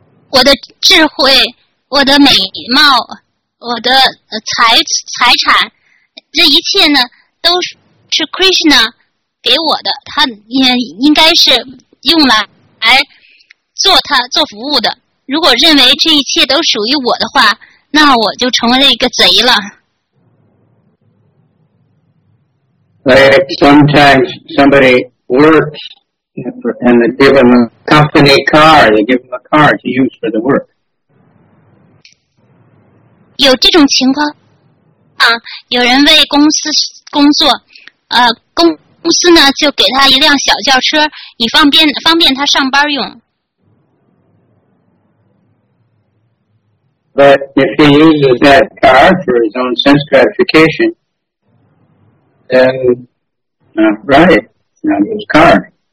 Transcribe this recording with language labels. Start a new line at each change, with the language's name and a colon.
Chinese: 我的智慧，我的美貌，我的财产，这一切呢，都是 Krishna给我的，他也应该是用来做他做服务的。如果认为这一切都属于我的话，那我就成为了一个贼了。
English: Like sometimes somebody works and they give them a company car, they give them a car to use for the work.
Chinese: 有这种情况啊，有人为公司工作，公司呢就给他一辆小轿车，以方便他上班用。
English: But if he uses that car for his own sense gratification, then not right, not his car.